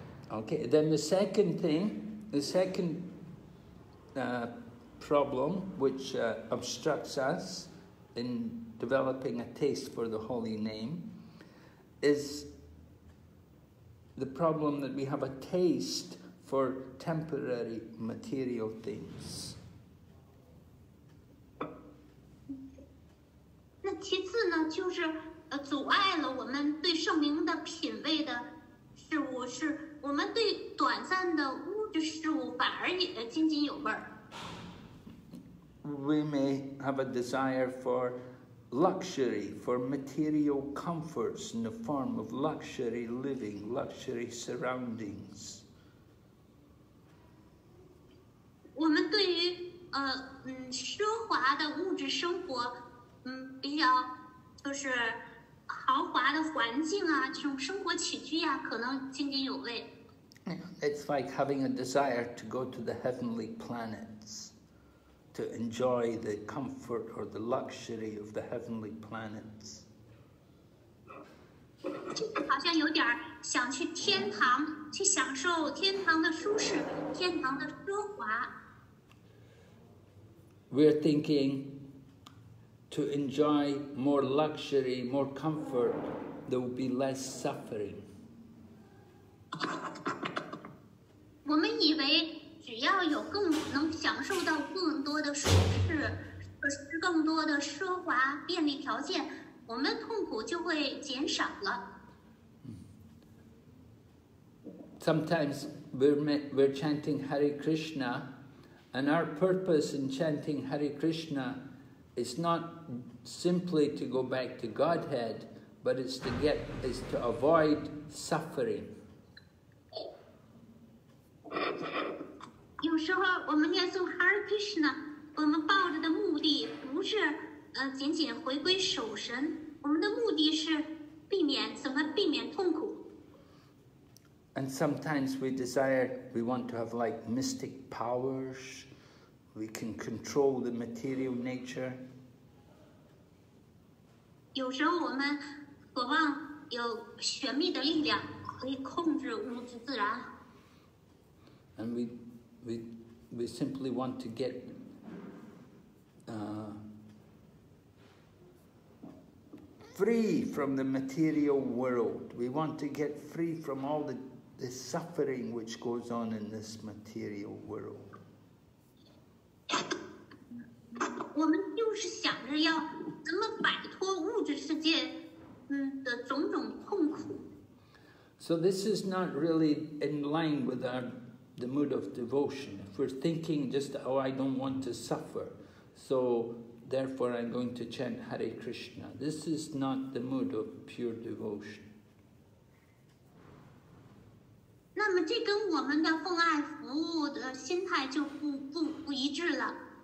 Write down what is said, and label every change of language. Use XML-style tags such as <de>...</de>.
<en>Okay, then the second problem which obstructs us in developing a taste for the holy name is the problem that we have a taste for temporary material things.</en> <zh>那其次呢，就是阻碍了我们对圣名的品味的事物是我们对短暂的物质事物反而也津津有味。</zh> <en>We may have a desire for luxury, for material comforts in the form of luxury living, luxury surroundings.</en> <zh>我们对于奢华的物质生活，比较就是豪华的环境啊，这种生活起居呀，可能津津有味。</zh> <en>It's like having a desire to go to the heavenly planets. To enjoy the comfort or the luxury of the heavenly planets.</en> <zh>好像有点想去天堂，去享受天堂的舒适，天堂的奢华。</zh> <en>We're thinking to enjoy more luxury, more comfort, there will be less suffering.</en> <zh>我们以为只要有更能享受到更多的舒适，更多的奢华便利条件，我们痛苦就会减少了。</zh> <en>Sometimes we're chanting Hare Krishna, and our purpose in chanting Hare Krishna is not simply to go back to Godhead, but it's to avoid suffering.</en> <zh>有时候我们念诵 Hare Krishna， 我们抱着的目的不是仅仅回归守神，我们的目的是怎么避免痛苦。</zh> <en>And sometimes we want to have like mystic powers. We can control the material nature.</en> <zh>有时候我们渴望有玄秘的力量，可以控制物质自然。</zh> <en>And we simply want to get free from the material world. We want to get free from all the suffering which goes on in this material world.</en> <zh>我们就是想着要怎么摆脱物质世界的种种痛苦。</zh> <en>So this is not really in line with our the mood of devotion. If we're thinking just, oh, I don't want to suffer, so therefore I'm going to chant Hare Krishna. This is not the mood of pure devotion.</en> <zh>那么这跟我们的奉爱服务的心态就不一致了。</zh>